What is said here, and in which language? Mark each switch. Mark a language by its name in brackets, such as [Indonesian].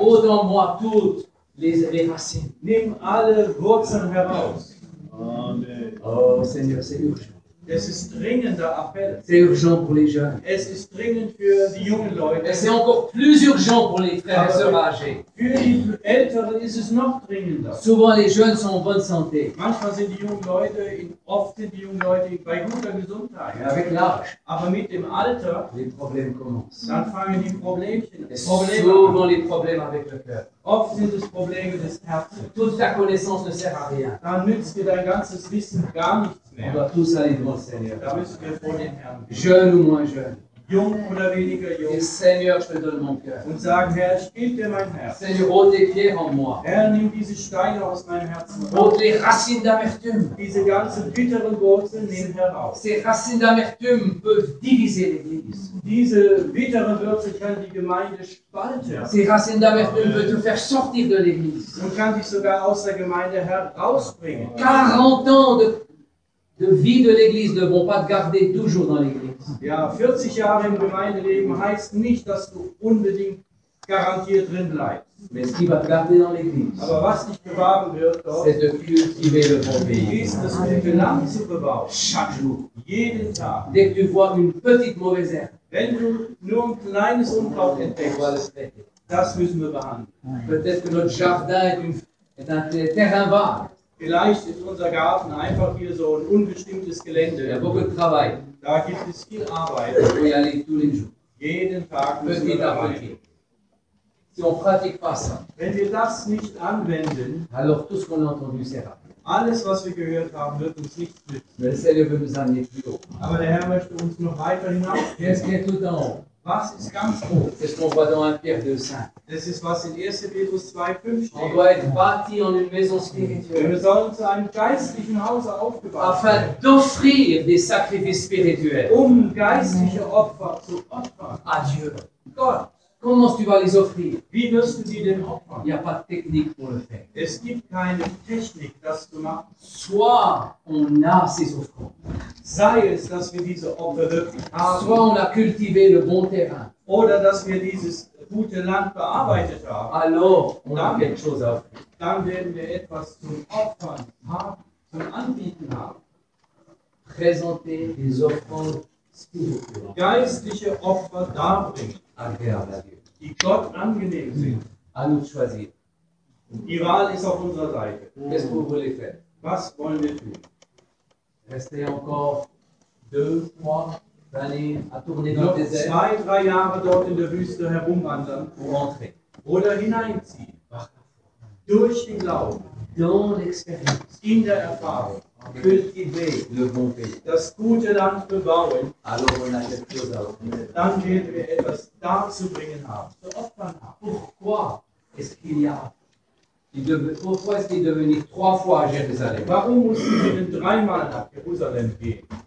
[French] Ôte en moi toutes les racines. [German] Nimm alle Wurzeln heraus. [French] Amen. Oh Seigneur, c'est urgent. [German] Es ist dringender Appell. [French] C'est urgent pour les jeunes. [German] Es ist dringend für die jungen Leute. [French] Et c'est encore plus urgent pour les frères et sœurs âgés. [German] Für die Älteren ist es noch dringender. [French] Souvent les jeunes sont en bonne santé. [German] Manchmal sind die jungen Leute in oft sind die jungen Leute bei guter Gesundheit. [French] Ja, avec l'âge. [German] Aber mit dem Alter, [French] les problèmes commencent. [German] Dann fangen die Problemchen an. [French] Souvent les problèmes avec le cœur. [German] Oft sind es Probleme des Herzens. [French] Toute ta connaissance ne sert à rien. [German] Dann nützt dir dein ganzes Wissen gar nichts mehr. [French] On doit tous aller devant le Seigneur. [German] Da müssen wir vor den Herrn. [French] Jeune ou moins jeune. [German] Jung oder weniger jung. [French] Et Seigneur, je te donne mon cœur. [German] Und sagen, Herr, ich gebe dir mein Herz. [French] Seigneur, ôte les pierres en moi. [German] Herr, nimm diese Steine aus meinem Herzen. [French] Ôte les racines d'amertume. [German] Diese ganzen bitteren Wurzeln nimm heraus. [French] Ces racines d'amertume peuvent diviser l'Église. [German] Diese bitteren Wurzeln können die Gemeinde spalten. [French] Ces racines d'amertume peuvent te faire sortir de l'Église. [German] Und kann dich sogar aus der Gemeinde herausbringen. [French] 40 ans de vie de l'Église ne vont pas te garder toujours dans l'Église. [German] Ja, 40 Jahre im Gemeindeleben heißt nicht, dass du unbedingt garantiert drin bleibst. [French] Mais ce qui va te garder dans l'Église, [German] aber was dich bewahren wird, [French] c'est de cultiver le bon pays. [German] Ist es, den Land zu bewahren. [French] Chaque jour. [German] Jeden Tag. [French] Dès que tu vois une petite mauvaise herbe. [German] Wenn du nur ein kleines Unkraut entdeckst, das müssen wir behandeln. [French] Peut-être que notre jardin est un terrain vague. [German] Vielleicht ist unser Garten einfach hier so ein unbestimmtes Gelände. [French] Ja, beaucoup de travail. [German] Da gibt es viel Arbeit. [French] Oui, allez, tous les jours. [German] Jeden Tag müssen wir arbeiten. [French] Si on pratique pas ça. [German] Wenn wir das nicht anwenden, [French] alors tout ce qu'on a entendu sera. [German] Alles, was wir gehört haben, wird uns nicht nützen. [French] Mais le Seigneur veut nous amener plus haut. [German] Aber der Herr möchte uns noch weiter hinaus. [French] Qu'est-ce qui est tout en haut? [German] Was ist ganz hoch? [French] C'est ce qu'on voit dans 1 Pierre 2, 5. [German] Das ist, was in 1. Petrus 2, 5 steht. [French] On doit être bâti en une maison spirituelle. [German] Wir sollen zu einem geistlichen Hause aufgebaut werden. [French] Afin d'offrir des sacrifices spirituels. [German] Geistliche Opfer zu opfern. [French] À Dieu. [German] Gott. [French] Comment tu vas les offrir? [German] Wie wirst du die denn opfern? [French] Il n'y a pas de technique pour le faire. [German] Es gibt keine Technik, das zu machen. [French] Soit on a ces offrandes. [German] Sei es, dass wir diese Opfer wirklich haben. [French] Soit on a cultivé le bon terrain. [German] Oder dass wir dieses gute Land bearbeitet haben. [French] Alors, on a quelque chose à offrir. [German] Dann werden wir etwas zum Opfern haben, zum Anbieten haben. [French] Présenter des offrandes spirituelles. [German] Geistliche Opfer darbringen. [French] Agréable à Dieu. [German] Die Gott angenehm sind. [French] À nous de choisir. [German] Die Wahl ist auf unserer Seite. [French] Qu'est-ce que vous voulez faire? [German] Was wollen wir tun? [French] Restez encore deux, trois, d'aller à tourner dans [German] noch [French] le désert. [German] Zwei, drei Jahre dort in der Wüste herumwandern. [French] Pour rentrer. [German] Oder hineinziehen. [French] Par la foi. [German] Durch den Glauben. [French] Dans l'expérience. [German] In der Erfahrung. [French] Cultiver le bon pays. [German] Das gute Land bebauen. [French] Alors on a quelque chose à offrir. [German] Dann werden wir etwas darzubringen haben. Zu opfern haben. [French] Pourquoi est-ce qu'il y a? Pourquoi est-ce qu'il est devenu trois fois à Jérusalem? [German] Warum muss ich denn dreimal nach Jerusalem gehen?